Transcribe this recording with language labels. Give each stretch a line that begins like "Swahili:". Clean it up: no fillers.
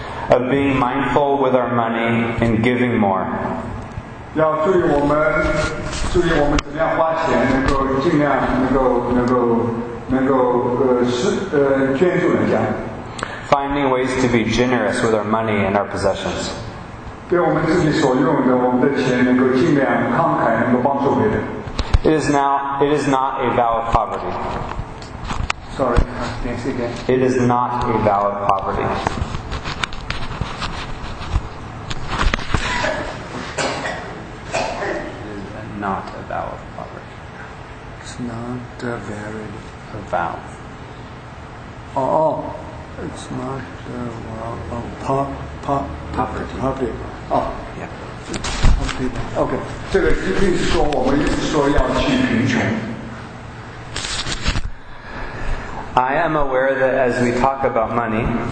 English: Of being mindful with our money and giving more.
Chinese: 要注意我们，注意我们怎么样花钱，能够尽量能够捐助人家。
English: Finding ways to be generous with our money and our possessions.
Chinese: 对我们自己所用的我们的钱，能够尽量慷慨，能够帮助别人。
English: It is not a vow of poverty. Sorry, yes, again. It is not a vow of poverty. It's not a very a vow. Oh, it's not a vow of poverty. Poverty. Oh, yeah. Okay.
Chinese: 这个意思说我们一直说要去贫穷。
English: I am aware that as we talk about money,